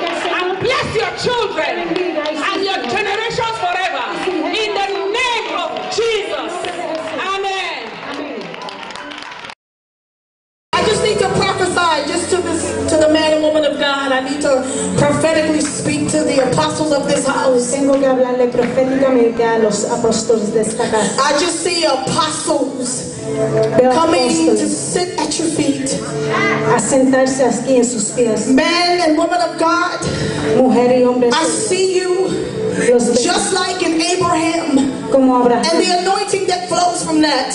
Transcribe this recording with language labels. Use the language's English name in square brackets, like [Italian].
[English] And bless your children. And your generations forever. In the name of Jesus. Amen. I just need to prophesy just to this, to the man and woman of God. I need to prophetically speak to the apostles of this house. [Spanish] Tengo que hablarle proféticamente a los apóstoles de esta casa. [English] I just see apostles coming to sit at your feet. [Spanish] A sentarse aquí en sus pies. [English] Men and women of God, [Spanish] mujer y hombre, [English] I see you just like in Abraham, [Spanish] como Abraham [English] and the anointing that flows from that,